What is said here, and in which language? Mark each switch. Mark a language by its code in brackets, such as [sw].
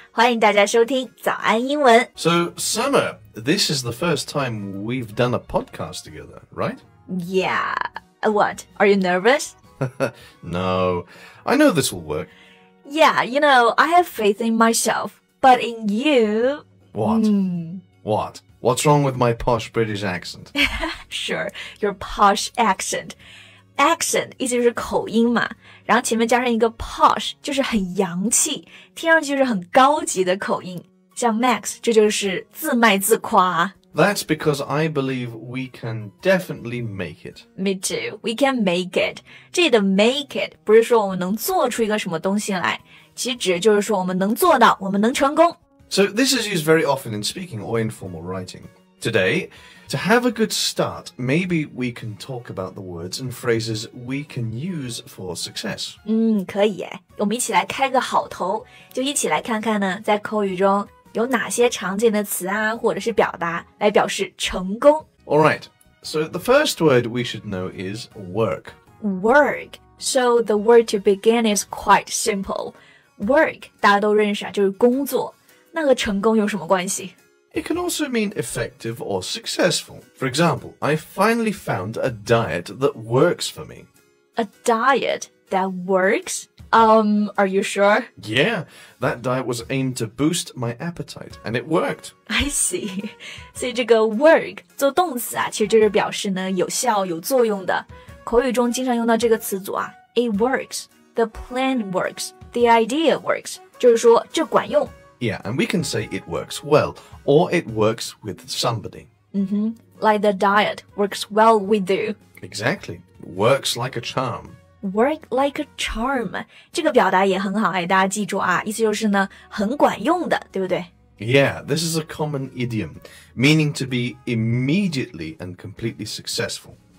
[zh] 欢迎大家收听早安英文。 [en] So, Summer, this is the first time we've done a podcast together, right? Yeah. What? Are you nervous? No. I know this will work. Yeah, you know, I have faith in myself, but in you... What?、What? What's wrong with my posh British accent? Sure, your posh accent. [zh] Accent 意思就是口音嘛，然后前面加上一个 posh 就是很洋气，听上去就是很高级的口音。像 Max 这就是自卖自夸。 [en] That's because I believe we can definitely make it. Me too. We can make it. [zh] 这里的 make it 不是说我们能做出一个什么东西来，其实指就是说我们能做到，我们能成功。 [en] So this is used very often in speaking or informal writing. Today, to have a good start, maybe we can talk about the words and phrases we can use for success. [zh] 可以耶。我们一起来开个好头，就一起来看看呢，在口语中有哪些常见的词啊，或者是表达来表示成功。 [en] All right, so the first word we should know is work. Work. So the word to begin is quite simple. [zh] Work, 大家都认识啊，就是工作。那和成功有什么关系？ [en] It can also mean effective or successful. For example, I finally found a diet that works for me. A diet that works? Are you sure? Yeah, that diet was aimed to boost my appetite, and it worked. I see. [zh] 所以这个 work, 做动词啊，其实就是表示呢，有效，有作用的。口语中经常用到这个词组啊， [en] it works, the plan works, the idea works, [zh] 就是说这管用。 [en] Yeah, and we can say it works well, or it works with somebody. Mm-hmm. Like the diet works well with you. Exactly. Works like a charm. Work like a charm. [zh] 这个表达也很好，哎，大家记住啊，意思就是呢，很管用的，对不对？ [en] Yeah, this is a common idiom, meaning to be immediately and completely successful.